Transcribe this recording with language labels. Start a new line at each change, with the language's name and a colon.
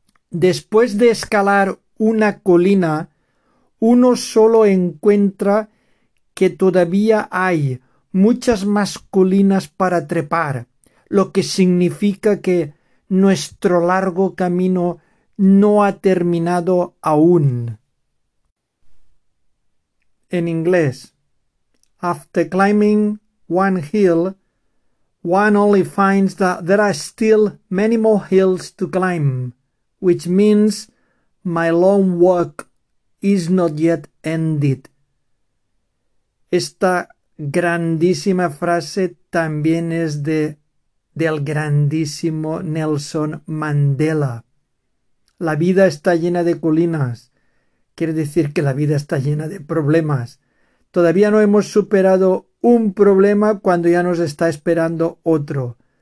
Spanish: Después de escalar una colina, uno solo encuentra que todavía hay muchas más colinas para trepar, lo que significa que nuestro largo camino no ha terminado aún. En inglés,
English: after climbing one hill, one only finds that there are still many more hills to climb, which means my long walk is not yet ended.
Spanish: Esta grandísima frase también es del grandísimo Nelson Mandela. La vida está llena de colinas. Quiere decir que la vida está llena de problemas. Todavía no hemos superado un problema cuando ya nos está esperando otro.